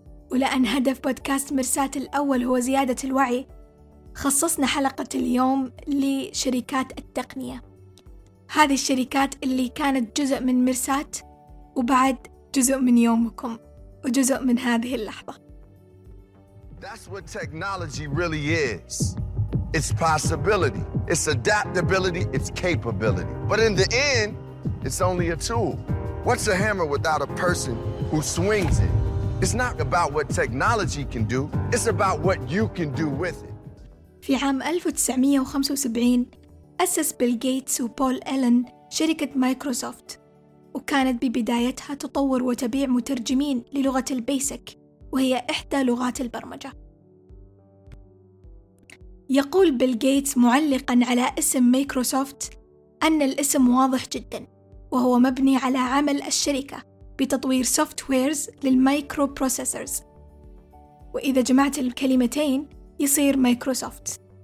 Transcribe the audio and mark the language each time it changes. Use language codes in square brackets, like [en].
[ar] ولأن هدف بودكاست مرسات الأول هو زيادة الوعي، خصصنا حلقة اليوم لشركات التقنية. هذه الشركات اللي كانت جزء من مرسات، وبعد جزء من يومكم، وجزء من هذه اللحظة. [en] That's what technology really is. It's possibility, it's adaptability, it's capability. But in the end, it's only a tool. What's a hammer without a person who swings it? It's not about what technology can do, it's about what you can do with it. [ar] في عام 1975 أسس بيل غيتس وبول إيلن شركة مايكروسوفت، وكانت ببدايتها تطور وتبيع مترجمين للغة البيسك وهي إحدى لغات البرمجة. يقول بيل غيتس معلقاً على اسم مايكروسوفت أن الاسم واضح جداً، وهو مبني على عمل الشركة بتطوير سوفتويرز للمايكرو بروسيسرز، وإذا جمعت الكلمتين يصير مايكروسوفت.